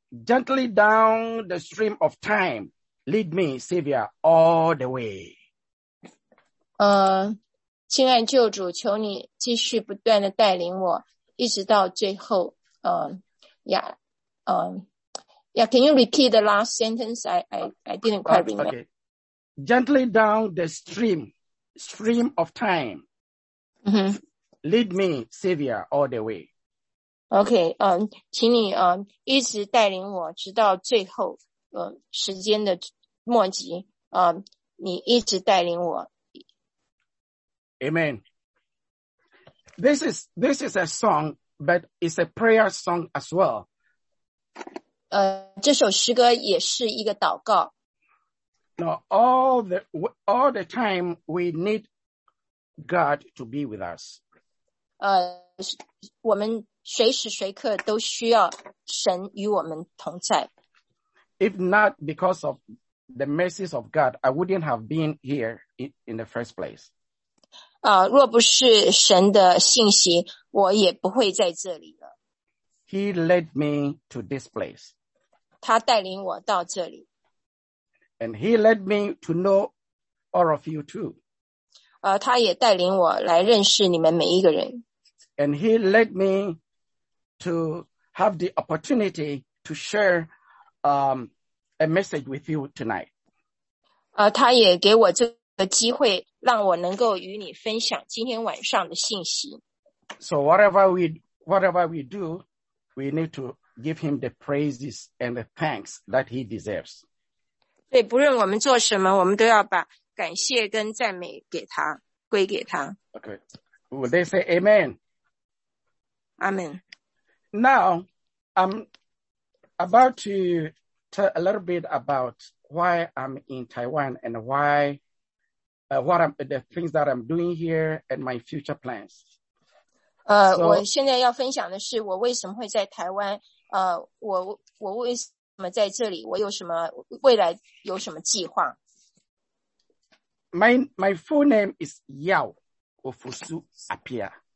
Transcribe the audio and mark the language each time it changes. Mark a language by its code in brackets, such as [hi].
[en] Gently down the stream of time, lead me, Savior, all the way. [zh] 亲爱救主，求你继续不断的带领我，一直到最后。 [en] Can you repeat the last sentence? I didn't quite remember. Okay. Gently down the stream of time. Mm-hmm. Lead me, Savior, all the way. [zh] Okay, 请你一直带领我直到最后，时间的末集，你一直带领我。 [en] Amen. This is a song, but it's a prayer song as well. [zh] 这首诗歌也是一个祷告。 [en] Now, all the time we need God to be with us. [zh] 我们随时随刻都需要神与我们同在。 [en] If not because of the mercies of God, I wouldn't have been here in the first place. [zh] 若不是神的信息，我也不会在这里了。 [en] He led me to this place. [zh] 他带领我到这里。 [en] And he led me to know all of you too. [zh] 他也带领我来认识你们每一个人。 [en] And he led me to have the opportunity to share a message with you tonight. [zh] 他也给我这个机会，让我能够与你分享今天晚上的信息。 [en] So whatever we do, we need to give him the praises and the thanks that he deserves. [zh] 对，不论我们做什么，我们都要把感谢跟赞美给他，归给他。 [en] Okay. Would they say amen? Amen. Now, I'm about to tell a little bit about why I'm in Taiwan and why, the things that I'm doing here and my future plans. [zh] So, 我现在要分享的是我为什么会在台湾，我为什么在这里，我有什么未来有什么计划。 [en] My full name is Yao Ofusu Apia.